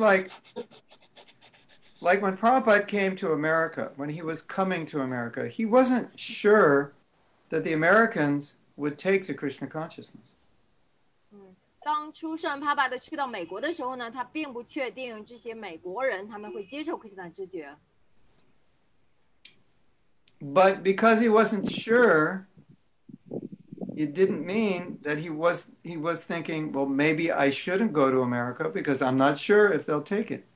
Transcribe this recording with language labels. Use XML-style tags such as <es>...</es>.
<en>like when Prabhupada came to America, when he was coming to America, he wasn't sure that the Americans would take to Krishna consciousness.</en> <zh>当初圣帕巴的去到美国的时候呢，他并不确定这些美国人他们会接受Krishna的直觉。</zh> <en>But because he wasn't sure, it didn't mean that he was thinking, well, maybe I shouldn't go to America because I'm not sure if they'll take it.</en>